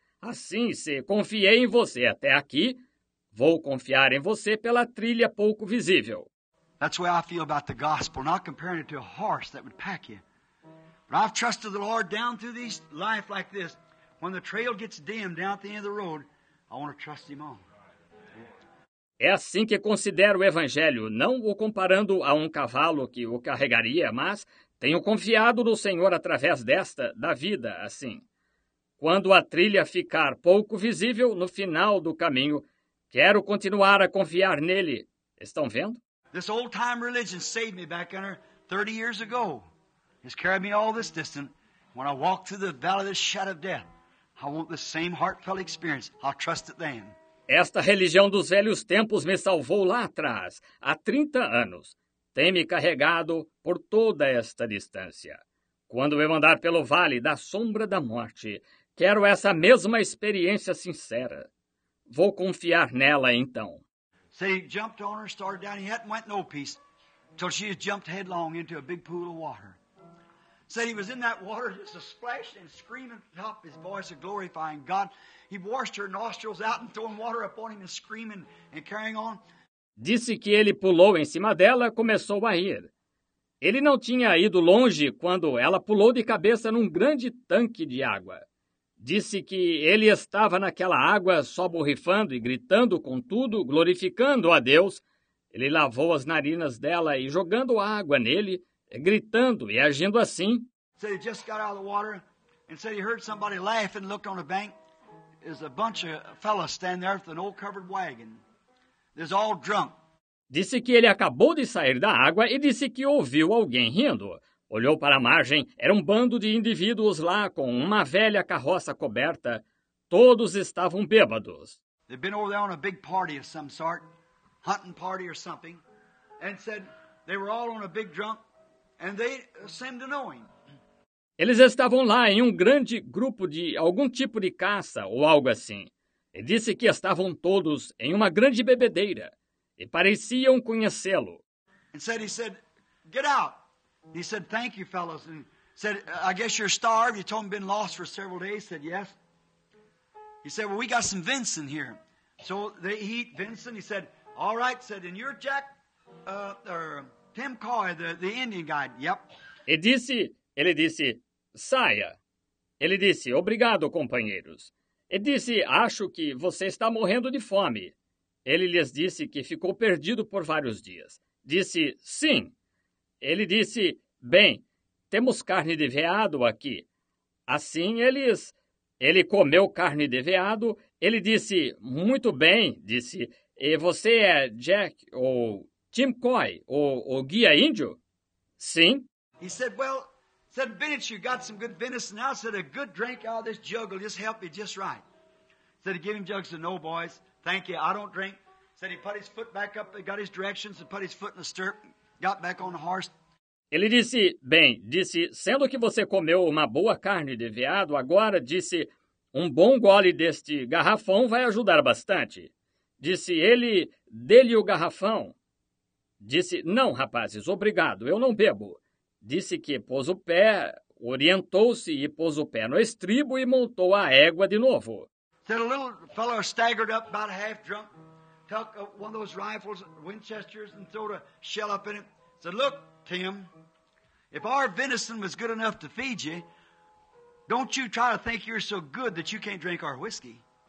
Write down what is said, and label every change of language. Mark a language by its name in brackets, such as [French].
[Portuguese] Assim, se confiei em você até aqui, vou confiar em você pela trilha pouco visível. [English] That's the way I feel about the gospel, not comparing it to a horse that would pack you. But I've trusted the Lord down through this life like this. When the trail gets dim down at the end of the road, I want to trust him on. [Portuguese] É assim que considero o evangelho, não o comparando a um cavalo que o carregaria, mas tenho confiado no Senhor através desta, da vida, assim. Quando a trilha ficar pouco visível no final do caminho, quero continuar a confiar nele. Estão vendo? [English] This old-time religion saved me back under 30 years ago. It's carried me all this distance. When I walk through the valley of the shadow of death, I want the same heartfelt experience. I'll trust it then. [Portuguese] Esta religião dos velhos tempos me salvou lá atrás, há 30 anos. Tem me carregado por toda esta distância. Quando eu andar pelo vale da sombra da morte, quero essa mesma experiência sincera. Vou confiar nela então. [English] So he jumped on her, started down. He hadn't went no peace till she had jumped headlong into a big pool of water. Said he was in that water just a splash and screaming at the top of his voice of glorifying God. He washed her nostrils out and throwing water up on him and screaming and carrying on. [Portuguese] Disse que ele pulou em cima dela, começou a rir. Ele não tinha ido longe quando ela pulou de cabeça num grande tanque de água. disse que ele estava naquela água só borrifando e gritando com tudo, glorificando a Deus. Ele lavou as narinas dela e jogando água nele, gritando e agindo assim. [English] So he just got out of the water and said he heard somebody laugh and looked on the bank. There's a bunch of fellas standing there with an old covered wagon. They're all drunk. [Portuguese] Disse que ele acabou de sair da água e disse que ouviu alguém rindo. Olhou para a margem, era um bando de indivíduos lá com uma velha carroça coberta. Todos estavam bêbados. [English] They've been over there on a big party of some sort, hunting party or something, and said they were all on a big drunk, and they seemed to know him. [Portuguese] Eles estavam lá em um grande grupo de algum tipo de caça ou algo assim. E disse que estavam todos em uma grande bebedeira e pareciam conhecê-lo. [English] He said, get out. He said, thank you, fellas. And said, I guess you're starved. You told him been lost for several days. He said, yes. He said, well, we got some venison here. So they eat venison. He said, all right. Said, and you're Jack, or Tim Coy, the Indian guide. Yep. [Portuguese] Ele disse, saia. Ele disse, obrigado, companheiros. Ele disse, acho que você está morrendo de fome. Ele lhes disse que ficou perdido por vários dias. Disse, sim. Ele disse, bem, temos carne de veado aqui. Assim ele comeu carne de veado. Ele disse, muito bem, disse, e você é Jack ou Tim Coy, o guia índio? Sim. [English] He said, well, said, Bennett, you got some good venison now. Said, a good drink out of this jug will just help you just right. Said, give him jugs of no, boys. Thank you, I don't drink. Said, he put his foot back up, got his directions, and put his foot in the stirrup, got back on the horse. [Portuguese] Ele disse, bem, disse, sendo que você comeu uma boa carne de veado, agora, disse, um bom gole deste garrafão vai ajudar bastante. Disse ele, dê-lhe o garrafão. Disse, não, rapazes, obrigado, eu não bebo. Disse que pôs o pé, orientou-se e pôs o pé no estribo e montou a égua de novo. [English] Said a little fellow staggered up about half drunk, took one of those rifles, Winchesters, and threw a shell up in it. Said, look, Tim, if our venison was good enough to feed you, don't you try to think you're so good that you can't drink our whiskey.